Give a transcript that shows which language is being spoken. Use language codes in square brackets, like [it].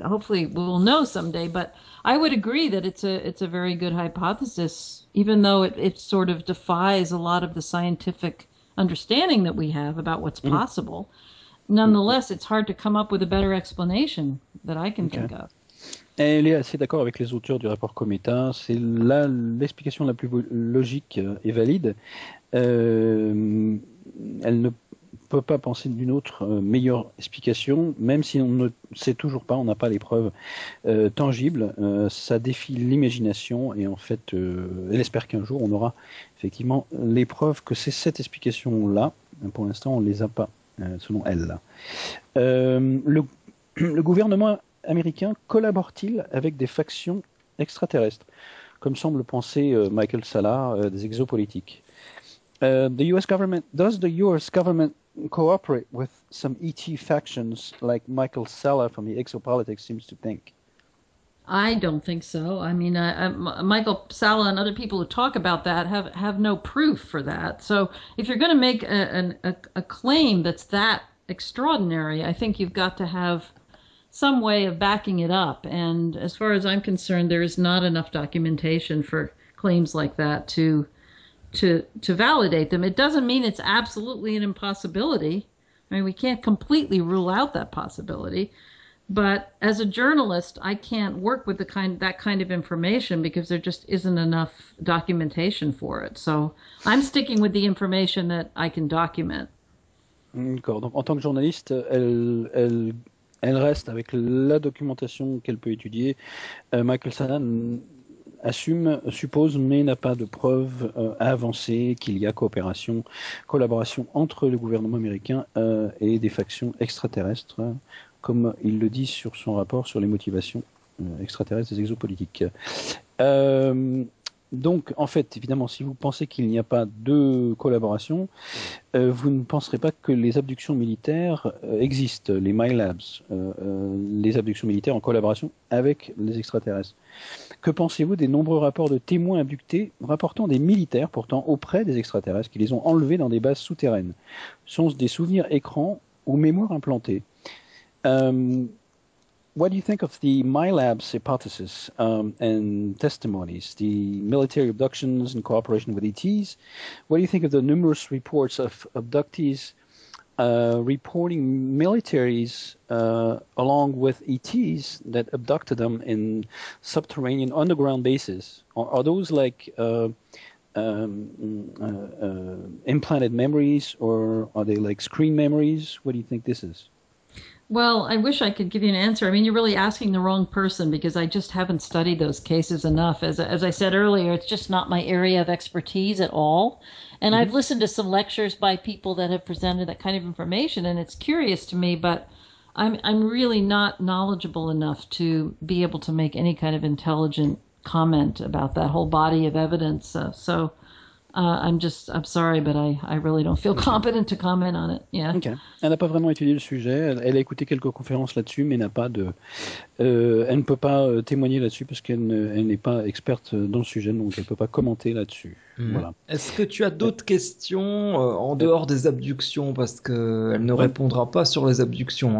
[en] Hopefully we'll know someday, but I would agree that it's a very good hypothesis, even though it sort of defies a lot of the scientific understanding that we have about what's possible. Nonetheless, it's hard to come up with a better explanation that I can think of. [fr] Elle est assez d'accord avec les auteurs du rapport Cometa. C'est là l'explication la plus logique et valide. Elle ne peut pas penser d'une autre meilleure explication, même si on ne sait toujours pas, on n'a pas les preuves tangibles. Ça défie l'imagination et en fait, elle espère qu'un jour on aura effectivement les preuves que c'est cette explication-là. Pour l'instant, on ne les a pas, selon elle. Le gouvernement américain collabore-t-il avec des factions extraterrestres, comme semble penser Michael Salah, des exopolitiques? [en] The U.S. government, does the U.S. government cooperate with some ET factions like Michael Salah from the Exopolitics seems to think? I don't think so. I mean, Michael Salah and other people who talk about that have no proof for that. So if you're going to make a claim that's that extraordinary, I think you've got to have some way of backing it up. And as far as I'm concerned, there is not enough documentation for claims like that to validate them. It doesn't mean it's absolutely an impossibility. I mean, we can't completely rule out that possibility. But as a journalist, I can't work with that kind of information because there just isn't enough documentation for it. So I'm sticking with the information that I can document. [fr] D'accord. Donc, en tant que journaliste, elle reste avec la documentation qu'elle peut étudier. Michael Salah assume, suppose, mais n'a pas de preuves avancées qu'il y a coopération, collaboration entre le gouvernement américain et des factions extraterrestres, comme il le dit sur son rapport sur les motivations extraterrestres des exopolitiques. Donc, en fait, évidemment, si vous pensez qu'il n'y a pas de collaboration, vous ne penserez pas que les abductions militaires existent, les MyLabs, les abductions militaires en collaboration avec les extraterrestres. Que pensez-vous des nombreux rapports de témoins abductés rapportant des militaires pourtant auprès des extraterrestres qui les ont enlevés dans des bases souterraines? Sont-ce des souvenirs écrans ou mémoires implantées? [en] What do you think of the MyLabs hypothesis and testimonies, the military abductions in cooperation with ETs? What do you think of the numerous reports of abductees reporting militaries along with ETs that abducted them in subterranean underground bases? Are those like implanted memories, or are they like screen memories? What do you think this is? Well, I wish I could give you an answer. I mean, you're really asking the wrong person because I just haven't studied those cases enough. As I said earlier, it's just not my area of expertise at all. And mm-hmm. I've listened to some lectures by people that have presented that kind of information, and it's curious to me, but I'm really not knowledgeable enough to be able to make any kind of intelligent comment about that whole body of evidence. I'm sorry, but I really don't feel competent to comment on it. Yeah. [fr] Okay. Elle n'a pas vraiment étudié le sujet. Elle a écouté quelques conférences là-dessus, mais n'a pas de. Elle ne peut pas témoigner là-dessus parce qu'elle n'est pas experte dans le sujet, donc elle ne peut pas commenter là-dessus. Mmh. Voilà. Est-ce que tu as d'autres questions en dehors des abductions, parce que elle ne répondra pas sur les abductions.